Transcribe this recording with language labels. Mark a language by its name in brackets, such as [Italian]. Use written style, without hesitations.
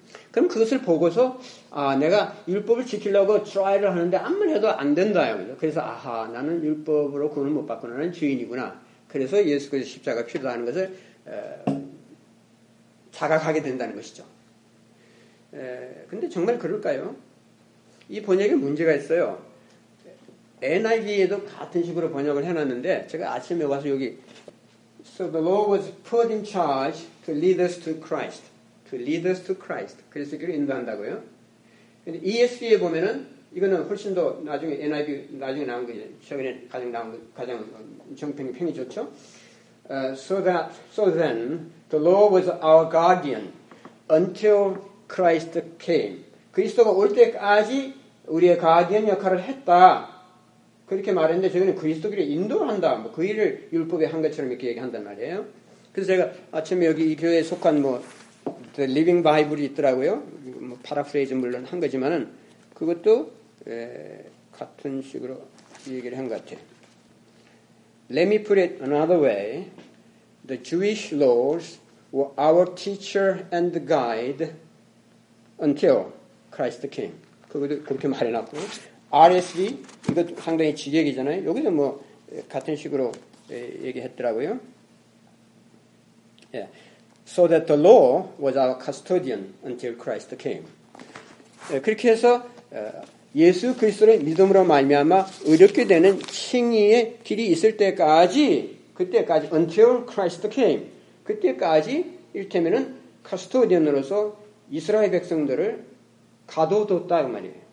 [Korean] 그럼 그것을 보고서 아 내가 율법을 지키려고 트라이를 하는데 아무리 해도 안 된다요. 그래서 아하 나는 율법으로 구원을 못 받고 나는 죄인이구나. 그래서 예수 그리스도 십자가 필요하다는 것을 자각하게 된다는 것이죠. 근데 정말 그럴까요? 이 번역에 문제가 있어요. NIV에도 같은 식으로 번역을 해놨는데 제가 아침에 와서 여기 [English] So the law was put in charge to lead us to Christ. To lead us to Christ. [Korean] 그래서 그를 인도한다고요. 근데 ESV에 보면은 이거는 훨씬 더 나중에 NIV 나중에 나온 거예요. 최근에 가장 나온 거, 가장 정평이 평이 좋죠. [English] So then the law was our guardian until Christ came. [Korean] 그리스도가 올 때까지 우리의 가디언 역할을 했다. 그렇게 말했는데 저희는 그리스도께로 인도한다. 뭐 그 일을 율법에 한 것처럼 이렇게 얘기한단 말이에요. 그래서 제가 아침에 여기 이 교회에 속한 뭐 The Living Bible이 있더라고요. 뭐 파라프레이즈 물론 한 거지만은 그것도 같은 식으로 얘기를 한 것 같아요. [English] Let me put it another way. The Jewish laws were our teacher and guide until Christ came. [Korean] 그것도 그렇게 말해놨고 RSV 이것도 상당히 직역이잖아요. 여기서 뭐 같은 식으로 얘기했더라고요. [English] Yeah. So that the law was our custodian until Christ came. [Korean] 그렇게 해서 예수 그리스도를 믿음으로 말미암아 의롭게 되는 칭의의 길이 있을 때까지 그때까지 [English] until Christ came [Korean] 그때까지 이를테면 custodian으로서 이스라엘 백성들을 가둬뒀다 그 말이에요.